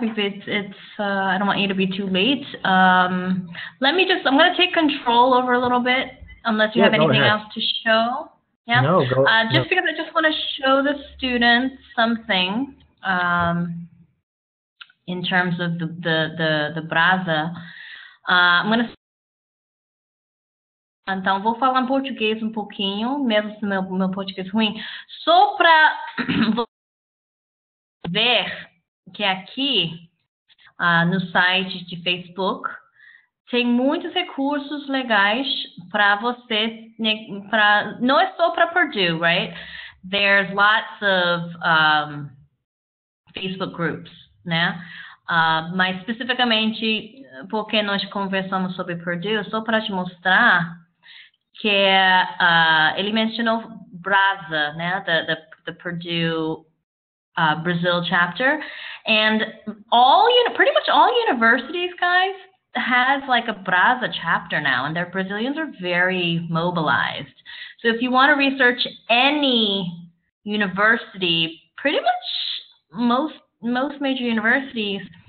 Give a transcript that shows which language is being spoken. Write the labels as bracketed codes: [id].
[en] If it's I don't want you to be too late. I'm gonna take control over a little bit, unless you have anything else to show. Yeah. Because I just want to show the students something in terms of the Brasa. [pt] Então, vou falar em português um pouquinho, mesmo se meu português ruim. Só para ver que aqui no site de Facebook tem muitos recursos legais para você, não é só para Purdue, right? [en] There's lots of Facebook groups, né? [pt] Mas especificamente porque nós conversamos sobre Purdue, só para te mostrar que ele mencionou Brasa, né? [en] The Purdue Brazil chapter, and pretty much all universities, guys, has like a Brasa chapter now, and their Brazilians are very mobilized. So if you want to research any university, pretty much most major universities.